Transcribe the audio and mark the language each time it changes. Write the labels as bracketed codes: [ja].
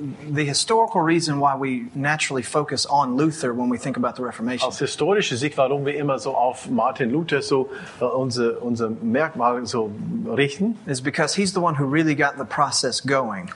[en] The historical reason why we naturally focus on Luther when we think about the Reformation. [de] Aus historischer Sicht, warum wir immer so auf Martin Luther so unser Merkmal so richten, [en] is because he's the one who really got the process going.